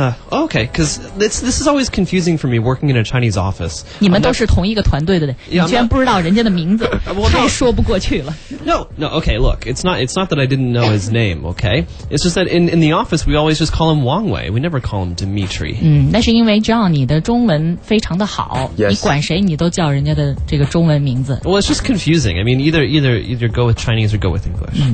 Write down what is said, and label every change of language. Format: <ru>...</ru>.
<en>Okay, because this is always confusing for me working in a Chinese office.</en> <zh>你们都是同一个团队的，你居然不知道人家的名字，太说不过去了。</zh> <en>No, okay, look, it's not that I didn't know his name, okay? It's just that in the office, we always just call him Wang Wei. We never call him Dimitri.</en> <zh>那是因为 John, 你的中文非常的好。</zh> <en>Yes.</en> <zh>你管谁你都叫人家的这个中文名字。</zh> <en>Well, it's just confusing. I mean, either go with Chinese or go with English.</en>